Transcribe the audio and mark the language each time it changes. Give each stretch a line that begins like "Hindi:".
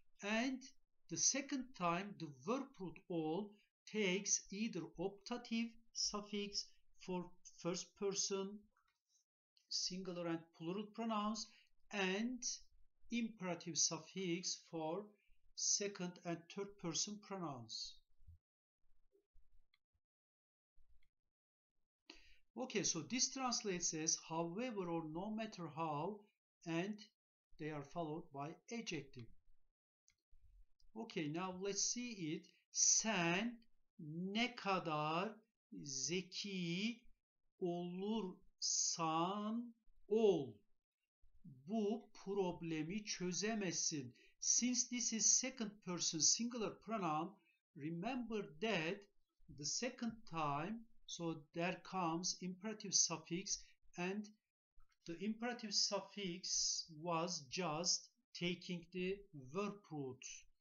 English: And the second time, the verb root ol takes either optative suffix for first person, singular and plural pronouns, and imperative suffix for second and third person pronouns. Okay, so this translates as however or no matter how, and they are followed by adjective. Okay, now let's see it.
Turkish: Sen ne kadar zeki olursan ol, bu problemi çözemezsin.
English: Since this is second person singular pronoun, remember that the second time, so there comes imperative suffix, and the imperative suffix was just taking the verb root.